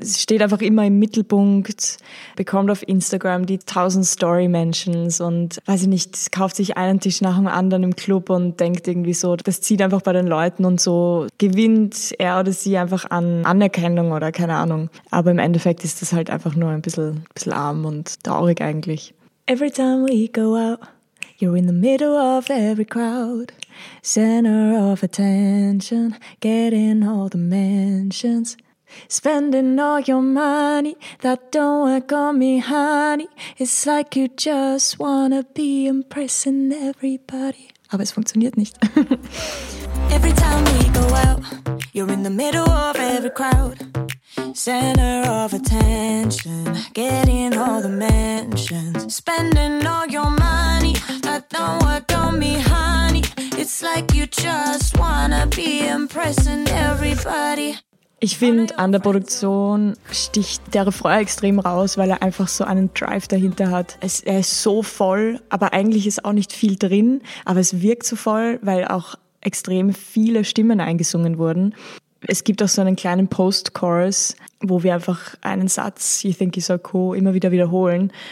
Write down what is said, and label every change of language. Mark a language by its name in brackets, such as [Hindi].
[German] Sie steht einfach immer im Mittelpunkt, bekommt auf Instagram die 1000 Story-Mentions und, weiß ich nicht, kauft sich einen Tisch nach dem anderen im Club und denkt irgendwie so, das zieht einfach bei den Leuten und so gewinnt er oder sie einfach an Anerkennung oder keine Ahnung. Aber im Endeffekt ist das halt einfach nur ein bisschen arm und traurig eigentlich. [English] Every time we go out, you're in the middle of every crowd. Center of attention, getting all the mentions. Spending all your money that don't work on me, honey. It's like you just wanna be impressing everybody. [German] Aber es funktioniert nicht. [English] Every time we go out, you're in the middle of every crowd. Center of attention, getting all the mentions. Spending all your money that don't work on me, honey. It's like you just wanna be impressing everybody. [German] Ich finde, an der Produktion sticht der Refrain extrem raus, weil er einfach so einen Drive dahinter hat. Er ist so voll, aber eigentlich ist auch nicht viel drin. Aber es wirkt so voll, weil auch extrem viele Stimmen eingesungen wurden. Es gibt auch so einen kleinen Post-Chorus, wo wir einfach einen Satz, [English] You think you're so cool, [German] immer wieder wiederholen.